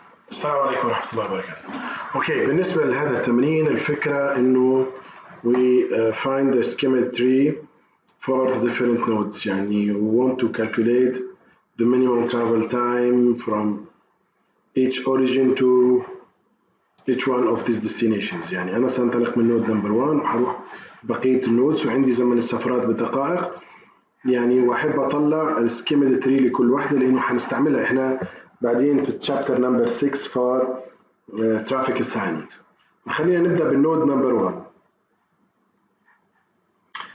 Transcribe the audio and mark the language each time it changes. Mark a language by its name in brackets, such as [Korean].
[Arabic] السلام عليكم ورحمة الله وبركاته. أوكي، بالنسبة لهذا التمرين الفكرة إنه [English] we find the schemel tree for the different nodes. [Arabic] يعني [English] we want to calculate the minimum travel time from each origin to each one of these destinations. [Arabic] يعني أنا سأنطلق من node number one وحروح بقية النودز وعندي زمن السفرات بدقائق. يعني وأحب أطلع schemel tree لكل واحدة لأنه حنستعملها إحنا بعدين في [English] chapter number 6 for traffic assignment. [Arabic] خلينا نبدأ بالنود number 1.